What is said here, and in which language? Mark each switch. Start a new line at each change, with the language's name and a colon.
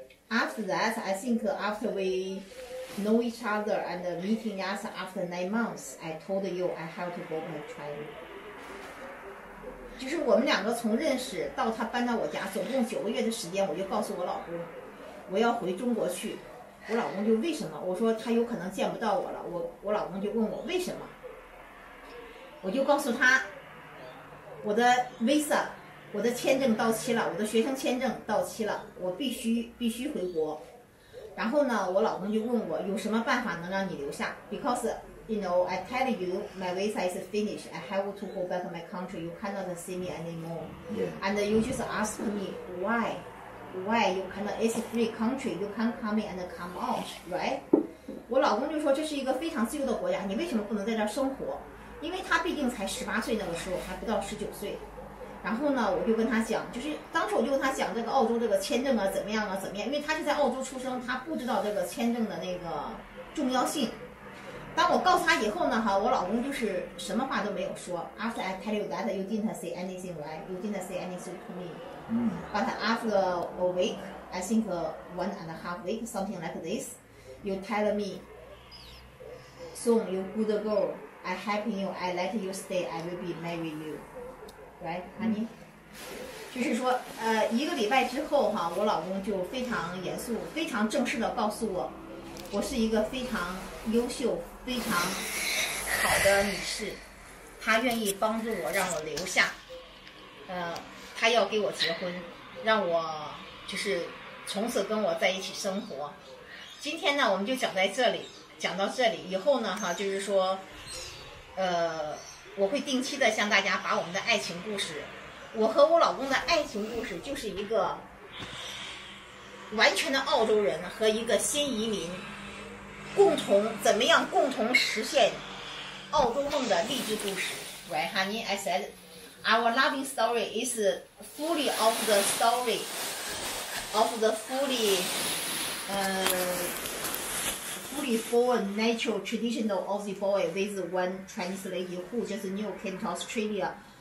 English: After that, I think after we know each other and meeting us after 9 months, I told you I have to go and try.
Chinese: 就是我们两个从认识到他搬到我家，总共9个月的时间，我就告诉我老公，我要回中国去。我老公就为什么，我说他有可能见不到我了，我老公就问我为什么，我就告诉他我的 visa 我的签证到期了，我的学生签证到期了，我必须回国。然后呢，我老公就问我有什么办法能让你留下 ？
English: Because you know, I tell you, my visa is finished. I have to go back to my country. You cannot see me anymore. And you just ask me why. Why you cannot? It's a free country. You can come in and come out, right?
Chinese: 我老公就说这是一个非常自由的国家，你为什么不能在这儿生活？因为他毕竟才十八岁，那个时候还不到十九岁。然后呢，我就跟他讲，就是当时我就跟他讲这个澳洲这个签证啊怎么样啊怎么样，因为他是在澳洲出生，他不知道这个签证的那个重要性。当我告诉他以后呢，哈，我老公就是什么话都没有说。
English: After I tell you that, you didn't say anything, right? You didn't say anything to me. But after a week, I think one and a half week, something like this, you tell me, soon you good girl, I helping you, I let you stay, I will be marry you. Right, honey.、
Chinese: 就是说，一个礼拜之后哈，我老公就非常严肃、非常正式的告诉我，我是一个非常优秀、非常好的女士，他愿意帮助我，让我留下。他要给我结婚，让我就是从此跟我在一起生活。今天呢，我们就讲在这里，讲到这里以后呢，哈，就是说，我会定期的向大家把我们的爱情故事，我和我老公的爱情故事，就是一个完全的澳洲人和一个新移民共同怎么样共同实现澳洲梦的励志故事。
English: Right, honey, I said our loving story is fully of the story of the fully fully foreign natural traditional Aussie boy with one Chinese lady who just knew came to Australia.